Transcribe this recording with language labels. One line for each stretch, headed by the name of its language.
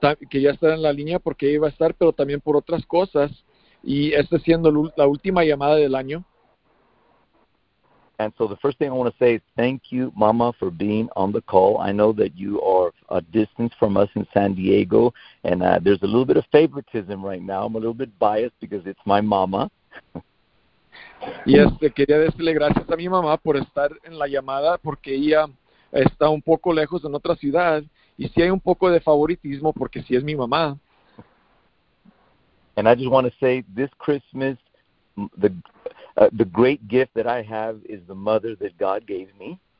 Spanish: Que ya está en la línea porque iba a estar, pero también por otras cosas. Y esta siendo la última llamada del año.
English: And so the first thing I want to say is thank you, Mama, for being on the call. I know that you are a distance from us in San Diego. And there's a little bit of favoritism right now. I'm a little bit biased because it's my mama.
Spanish: Y quería decirle gracias a mi mamá por estar en la llamada porque ella está un poco lejos en otra ciudad y sí hay un poco de favoritismo porque sí es mi mamá.
English: And I just want to say this Christmas the great gift that I have is the mother that God gave me.